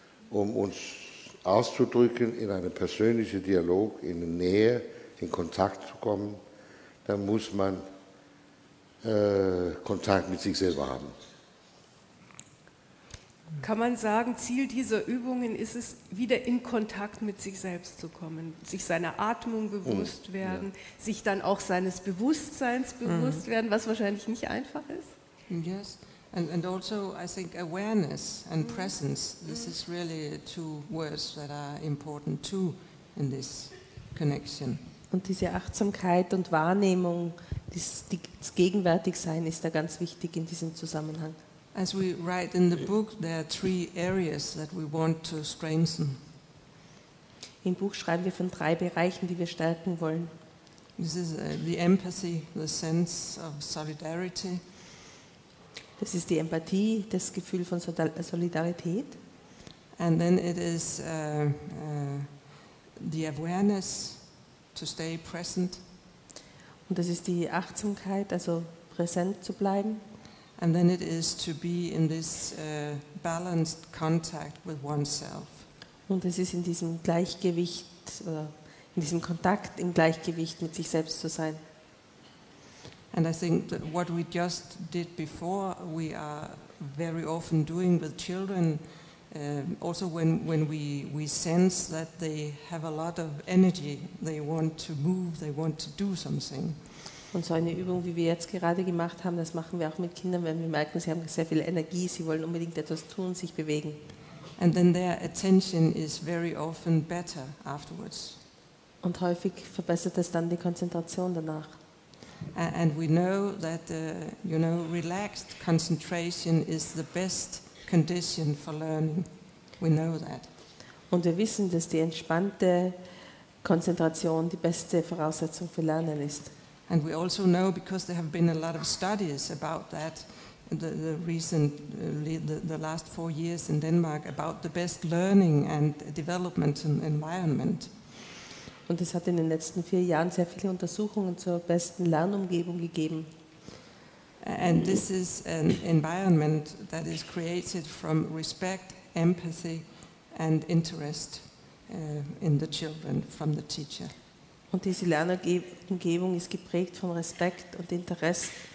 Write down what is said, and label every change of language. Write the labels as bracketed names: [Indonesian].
[German] Um uns auszudrücken in einem persönlichen Dialog, in Nähe, in Kontakt zu kommen, dann muss man Kontakt mit sich selber haben. Kann man sagen, Ziel dieser Übungen ist es, wieder in Kontakt mit sich selbst zu kommen, sich seiner Atmung bewusst werden, sich dann auch seines Bewusstseins bewusst werden, was wahrscheinlich nicht einfach ist? [English] Yes, and also I think awareness and presence, this is really two words that are important too in this connection. [German] Und diese Achtsamkeit und Wahrnehmung, das Gegenwärtigsein ist da ganz wichtig in diesem Zusammenhang. [English] As we write in the book, there are three areas that we want to strengthen. [German] Im Buch schreiben wir von drei Bereichen, die wir stärken wollen. [English] This is the empathy, the sense of solidarity. [German] Das ist die Empathie, das Gefühl von Solidarität. [English] And then it is the awareness to stay present. [German] Und das ist die Achtsamkeit, also präsent zu bleiben. [English] And then it is to be in this balanced contact with oneself. [German] Und es ist in diesem Gleichgewicht, in diesem Kontakt, im Gleichgewicht mit sich selbst zu sein. [English] And I think that what we just did before, we are very often doing with children, also when we sense that they have a lot of energy, they want to move, they want to do something. [German] Und so eine Übung, wie wir jetzt gerade gemacht haben, das machen wir auch mit Kindern, wenn wir merken, sie haben sehr viel Energie, sie wollen unbedingt etwas tun, sich bewegen. [English] And then their attention is very often better afterwards. [German] Und häufig verbessert das dann die Konzentration danach. [English] And we know that relaxed concentration is the best condition for learning. We know that. [German] Und wir wissen, dass die entspannte Konzentration die beste Voraussetzung für Lernen ist. [English] And we also know, because there have been a lot of studies about that the last 4 years in Denmark, about the best learning and development environment. [German] Und es hat in den letzten 4 Jahren sehr viele Untersuchungen zur besten Lernumgebung gegeben. [English] And this is an environment that is created from respect, empathy and interest in the children from the teacher. [German] Und diese Lernumgebung ist geprägt von Respekt und Interesse.